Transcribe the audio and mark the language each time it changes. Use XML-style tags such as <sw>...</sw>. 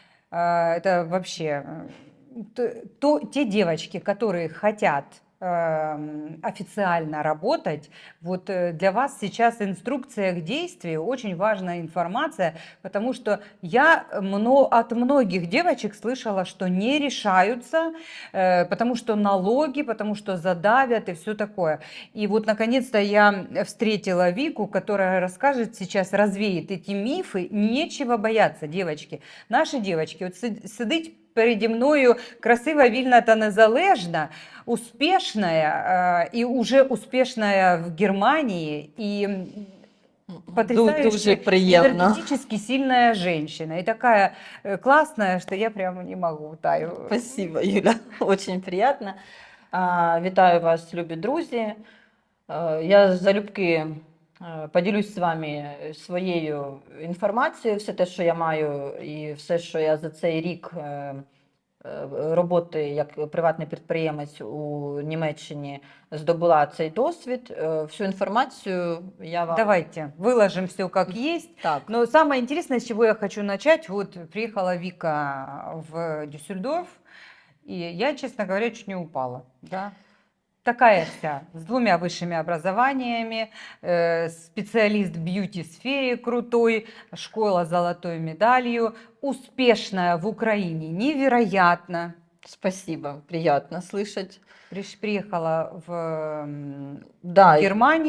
<ru>Это вообще те девочки, которые хотят официально работать, вот для вас сейчас в инструкциях действий очень важная информация, потому что я от многих девочек слышала, что не решаются, потому что налоги, потому что задавят и все такое. И вот наконец-то я встретила Вику, которая расскажет сейчас, развеет эти мифы. Нечего бояться, девочки. Наши девочки, вот сидеть</ru> <uk>переді мною красива, вільна та незалежна, успішна і вже успішна в Германії і</uk> <ru>потрясающе энергетически сильная женщина. И такая классная, что я прямо не могу, таю. Спасибо, Юля, очень приятно.</ru> <uk>Вітаю вас, любі друзі. Я залюбки поділюсь з вами своєю інформацією, все те, що я маю, і все, що я за цей рік роботи як приватний підприємець у Німеччині здобула цей досвід. Всю інформацію я вам... Давайте, виложимо все, як є. Так. Ну, саме цікаве, з чого я хочу почати, от приїхала Віка в Дюссельдорф, і я, чесно говоря,</uk> <ru>чуть не упала. Да? Такая вся, с двумя высшими образованиями, специалист в бьюти-сфере крутой, школа с золотой медалью, успешная в Украине, невероятно. Спасибо, приятно слышать. Приехала в Германию.</ru>